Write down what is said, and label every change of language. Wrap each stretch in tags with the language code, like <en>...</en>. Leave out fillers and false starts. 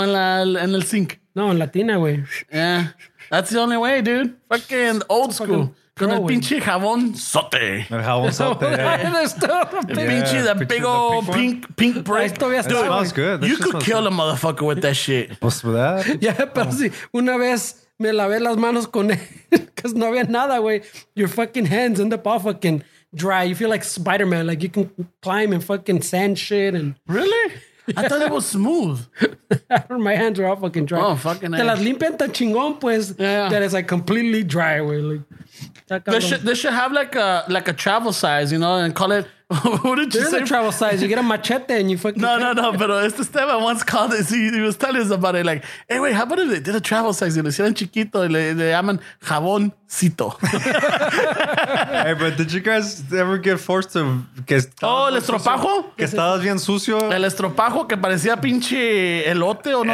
<es>en el sink? No, en Latina, güey.</es> <en>Yeah. That's the only way, dude. Fucking old school.</en> <es>Con el pinche jabón sote. El jabón sote. Yeah.</es> <en>Pinche, that big old pink brick. It smells good. That you could kill a motherfucker with that shit.</en> <es>Pues verdad. Yeah, pero sí. Una vez me lavé las manos con él.</es> <en>Because no había nada, güey. Your fucking hands end up all fucking dry. You feel like Spider-Man. Like you can climb and fucking sand shit. And really? Yeah. I thought it was smooth. My hands are all fucking dry. Oh, fucking hell. Te las limpian tan chingón, pues, that it's like completely dry, güey. Like, they should have like a travel size, you know, and call it... What did you say? There's a travel size. You get a machete and you fucking... No. Pero este Esteban once called it. He was telling us about it. Like, hey, wait, how about if they did a travel size?</en> <es>Y le hicieron chiquito y le llaman jaboncito.</es> <en>Hey, but did you guys ever get forced to...</en> <es>el estropajo. Sucio, que estabas bien sucio. El estropajo que parecía pinche elote o no</es>